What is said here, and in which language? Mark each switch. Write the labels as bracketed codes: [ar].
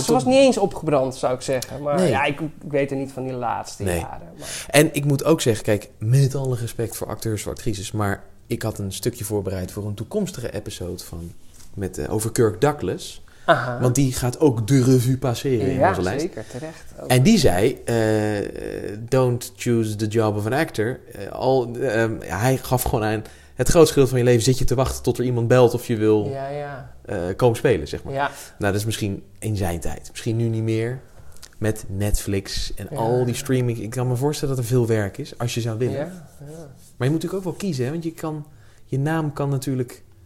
[nl] ze was niet eens opgebrand, zou ik zeggen. Maar ik weet er niet van die laatste jaren. Maar... En ik moet ook zeggen, kijk, met alle respect voor acteurs, voor actrices... maar ik had een stukje voorbereid voor een toekomstige episode van over Kirk Douglas... Aha. Want die gaat ook de revue passeren in onze lijst. Ja, zeker. Terecht. Ook. En die zei... [en] don't choose the job of an actor. [nl] Hij gaf gewoon aan... Het grootste gedeelte van je leven zit je te wachten... tot er iemand belt of je wil komen spelen, zeg maar. Ja. Nou, dat is misschien in zijn tijd. Misschien nu niet meer. Met Netflix en al die streaming. Ik kan me voorstellen dat er veel werk is. Als je zou willen. Ja. Ja. Maar je moet natuurlijk ook wel kiezen. Hè? Want je naam kan natuurlijk...